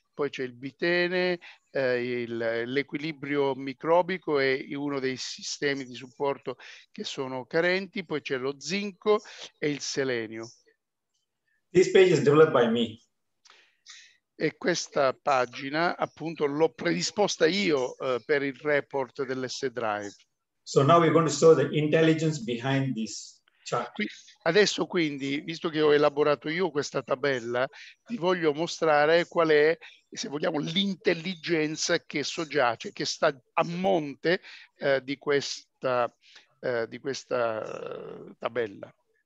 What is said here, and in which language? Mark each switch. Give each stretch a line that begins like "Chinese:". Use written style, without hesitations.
Italian: poi c'è il bitene, l'equilibrio microbico è uno dei sistemi di supporto che sono carenti, poi c'è lo zinco e il selenio.
English: This page is developed by me.
Italian: E questa pagina, appunto, l'ho predisposta io per il report dell'S-Drive.
English: So now we're going to show the intelligence behind this chart.
Italian: Adesso quindi, visto che ho elaborato io questa tabella, vi voglio mostrare qual è, se vogliamo, l'intelligenza che soggiace, che sta a monte di questa tabella.